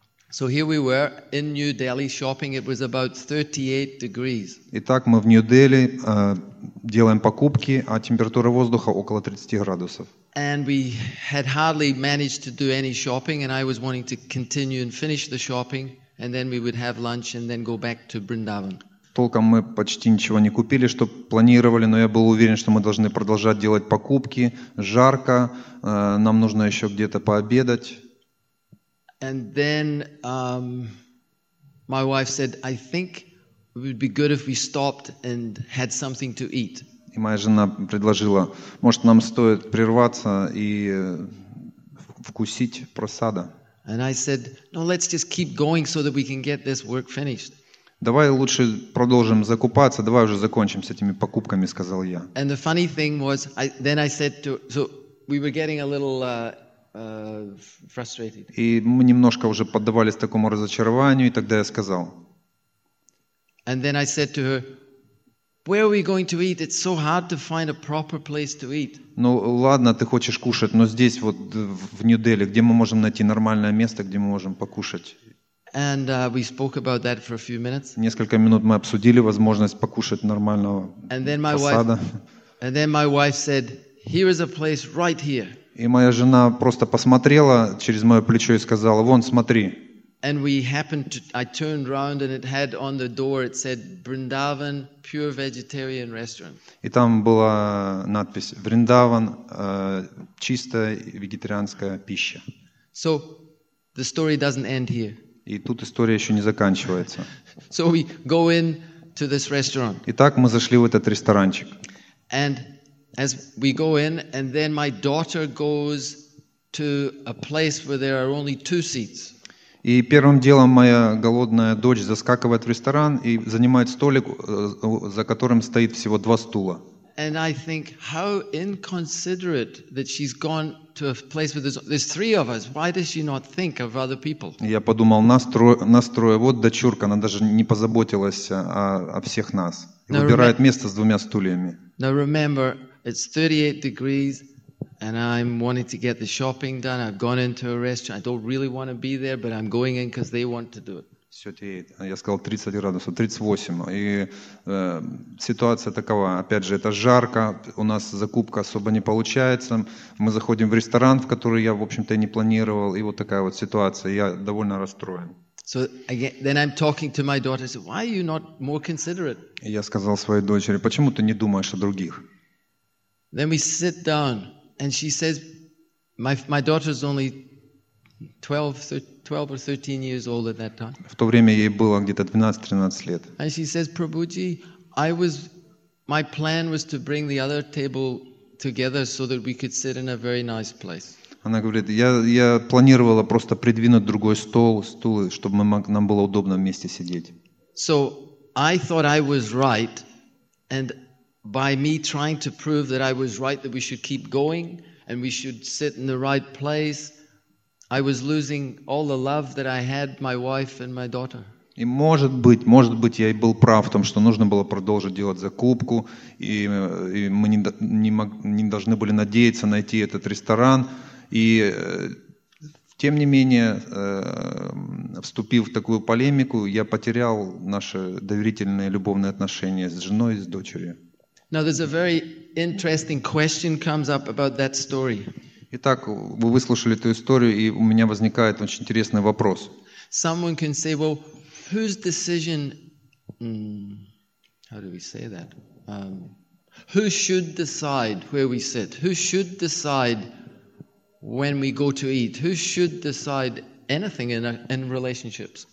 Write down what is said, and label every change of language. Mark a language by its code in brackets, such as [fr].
[en] So here we were in New Delhi shopping. It was about 38 degrees. [ru] Итак, мы в Нью-Дели делаем покупки, а температура воздуха около 30 градусов. [en] And we had hardly managed to do any shopping, and I was wanting to continue and finish the shopping, and then we would have lunch and then go back to Vrindavan. [ru] Толком мы почти ничего не купили, что планировали, но я был уверен, что мы должны продолжать делать покупки. Жарко, нам нужно еще где-то пообедать. [en] And then my wife said, "I think it would be good if we stopped and had something to eat." [ru] И моя жена предложила, может, нам стоит прерваться и вкусить просада. [en] And I said, "No, let's just keep going so that we can get this work finished." [ru] Давай лучше продолжим закупаться, давай уже закончим с этими покупками, сказал я. [en] And the funny thing was, then I said to, so we were getting a little frustrated. [ru] И мы немножко уже поддавались такому разочарованию, и тогда я сказал. [en] And then I said to her, "Where are we going to eat? It's so hard to find a proper place to eat." [ru] Ну ладно, ты хочешь кушать, но здесь вот в Нью-Дели, где мы можем найти нормальное место, где мы можем покушать? [en] And we spoke about that for a few minutes. [ru] Несколько минут мы обсудили возможность покушать нормального фасада. [en] And then my wife said, "Here is a place right here." [ru] И моя жена просто посмотрела через мое плечо и сказала: "Вон, смотри." [en] And we happened to, I turned around and it had on the door, it said, "Vrindavan, pure vegetarian restaurant." [ru] И там была надпись: "Vrindavan, чистая вегетарианская пища." [en] So the story doesn't end here. [ru] И тут история еще не заканчивается. [en] So we go in to this restaurant. [ru] Итак, мы зашли в этот ресторанчик. [en] And as we go in, and then my daughter goes to a place where there are only two seats. [ru] И первым делом моя голодная дочь заскакивает в ресторан и занимает столик, за которым стоит всего два стула. [en] And I think how inconsiderate that she's gone to a place where there's three of us. Why does she not think of other people? [ru] Я подумал, настрое, вот дочурка, она даже не позаботилась о всех нас. Выбирает место с двумя стульями. [en] Now remember, it's 38 degrees. And I'm wanting to get the shopping done. I've gone into a restaurant. I don't really want to be there, but I'm going in because they want to do it. [ru] Я сказал 30 градусов, 38. И ситуация такова. Опять же, это жарко. У нас закупка особо не получается. Мы заходим в ресторан, в который я, в общем-то, не планировал. И вот такая вот ситуация. Я довольно расстроен. [en] So again, then I'm talking to my daughter. I said, "Why are you not more considerate?" [ru] Я сказал своей дочери: "Почему ты не думаешь о других?" [en] Then we sit down. And she says, my daughter's only 12 or 13 years old at that time. [ru] В то время ей было где-то 12-13 лет. [en] And she says, "Prabhuji, my plan was to bring the other table together so that we could sit in a very nice place." [ru] Она говорит: "Я планировала просто придвинуть другой стул, чтобы нам было удобно вместе сидеть." [en] So I thought I was right, and by me trying to prove that I was right, that we should keep going and we should sit in the right place, I was losing all the love that I had my wife and my daughter. [ru] И может быть, я и был прав в том, что нужно было продолжить делать закупку, и мы не должны были надеяться найти этот ресторан. И тем не менее, вступив в такую полемику, я потерял наши доверительные любовные отношения с женой и с дочерью. [en] Now there's a very interesting question comes up about that story. [ru] Итак, вы выслушали эту историю, и у меня возникает очень интересный вопрос. [en] Someone can say, "Well, whose decision? How do we say that? Who should decide where we sit? Who should decide when we go to eat? Who should decide anything in relationships?"